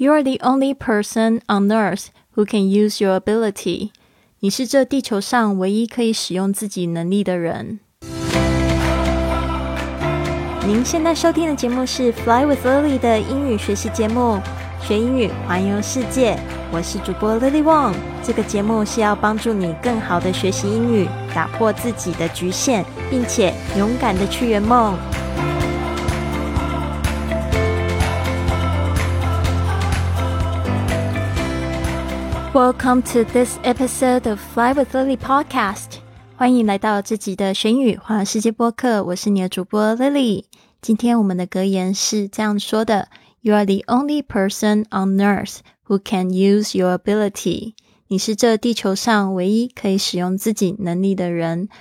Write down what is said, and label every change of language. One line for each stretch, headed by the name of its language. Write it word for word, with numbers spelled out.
English: You are the only person on Earth who can use your ability.
Chinese: 你是这地球上唯一可以使用自己能力的人。您现在收听的节目是 Fly with Lily 的英语学习节目，学英语环游世界。我是主播 Lily Wong。这个节目是要帮助你更好的学习英语，打破自己的局限，并且勇敢的去圆梦。
English: Welcome to this episode of Fly with Lily podcast.
Chinese: 欢迎来到这集的学英语环游世界播客，我是你的主播 Lily。今天我们的格言是这样说的
English: ：You are the only person on Earth who can use your ability.
Chinese: 你是这地球上唯一可以使用自己能力的人。